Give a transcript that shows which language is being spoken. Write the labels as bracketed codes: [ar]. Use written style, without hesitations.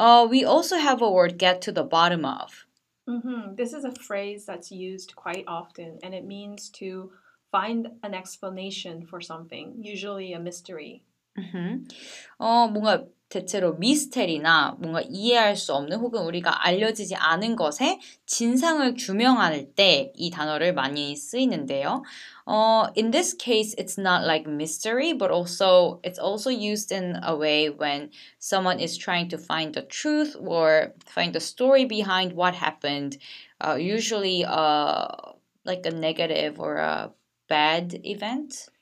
[en] We also have a word, get to the bottom of. This is a phrase that's used quite often, and it means to find an explanation for something, usually a mystery. [ko] 뭔가 대체로 미스테리나 뭔가 이해할 수 없는 혹은 우리가 알려지지 않은 것에 진상을 규명할 때 이 단어를 많이 쓰이는데요. [en] In this case, it's not like mystery, but also it's also used in a way when someone is trying to find the truth or find the story behind what happened. Usually, like a negative or a bad event.